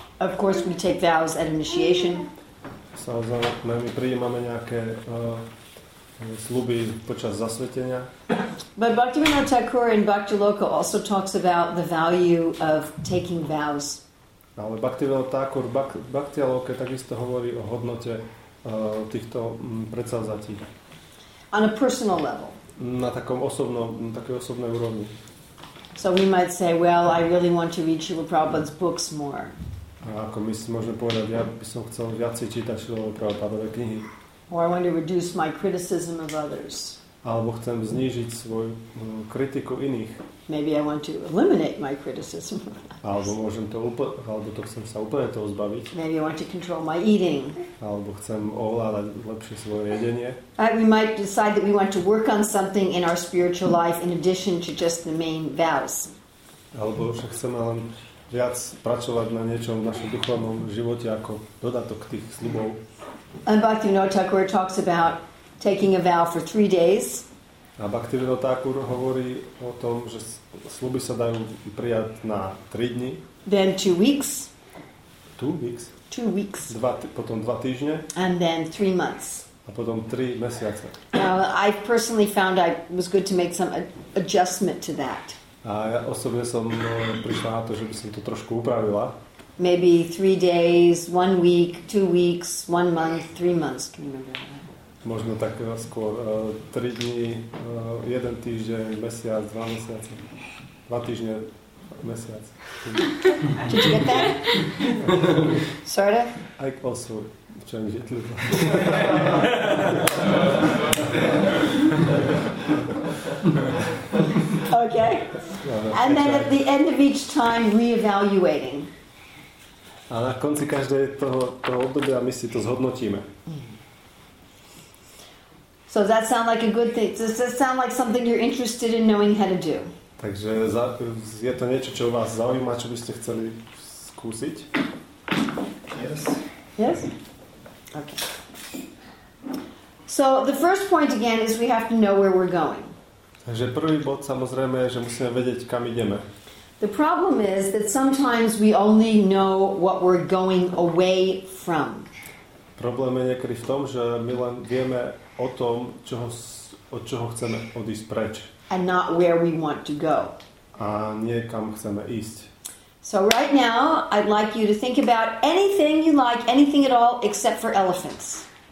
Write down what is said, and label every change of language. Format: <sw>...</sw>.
<en>Of course we take vows at initiation.</en> <sk>Samozrejme, my prijímame nejaké sľuby počas zasvetenia.</sk> <en>But Bhaktivinoda Thakur in Bhaktiloka also talks about the value of taking vows.</en> <sk>Ale Bhaktivinoda Thakur Bhaktiloke takisto hovorí o hodnote týchto predsavzatí.</sk> <en>On a personal level.</en> <sk>Na takom osobnom, na takej osobnej úrovni.</sk> <en>So we might say, well, I really want to read Srila Prabhupada's books more.</en> <sk>A ako my si môžeme povedať, ja by som chcel viac čítať Srila Prabhupádové knihy.</sk> <en>Or I want to reduce my criticism of others.</en> <sk>Alebo chcem znížiť svoju kritiku iných.</sk> <en>Maybe I want to eliminate my criticism.</en> <sk>Alebo to chcem sa úplne toho zbaviť.</sk> <en>Maybe I want to control my eating.</en> <sk>Alebo chcem ovládať lepšie svoje jedenie.</sk> <en>We might decide that we want to work on something in our spiritual life in addition to just the main vows.</en> <sk>Alebo však chceme len viac pracovať na niečom v našom duchovnom živote ako dodatok tých sľubov.</sk> <en>And Bhaktivinoda Thakur talks about taking a vow for 3 days.</en> <sk>A Bhaktivinoda Thakur hovorí o tom, že sľuby sa dajú prijať na 3 dni.</sk> <en>Then 2 weeks. 2 weeks. 2 weeks.</en> <sk>Potom 2 týždne.</sk> <en>And then 3 months.</en> <sk>A potom 3 mesiace.</sk> <en>Now, I personally found it was good to make some adjustment to that.</en> <sk>A ja osobne som prišla na to, že by som to trošku upravila.</sk> <en>maybe 3 days, 1 week, 2 weeks, 1 month, 3 months. Can you remember that?</en> <sk>Možno tak skôr 3 dni, 1 týždeň, mesiac, 2 mesiace. 2 týždne, mesiac.</sk> <en>Did you get that? Sort of? I also change it a little. Okay. And then at the end of each time, re-evaluating.</en> <sk>A na konci každého toho obdobia my si to zhodnotíme.</sk> <en>So that sound like a good thing. Does that sound like something you're interested in knowing how to do?</en> <sk>Takže je to niečo, čo vás zaujíma, čo by ste chceli skúsiť?</sk> <en>Yes. Yes. Okay. So the first point again is we have to know where we're going.</en> <sk>Takže prvý bod samozrejme je, že musíme vedieť, kam ideme.</sk> <en>The problem is that sometimes we only know what we're going away from.</en> <sk>Problém je niekedy v tom, že my len vieme o tom, od čoho chceme odísť preč.</sk> <en>And not where we want to go.</en> <sk>A nie kam chceme ísť.</sk> <en>So right now, I'd like you to think about anything you like, anything at all, except for elephants.</en>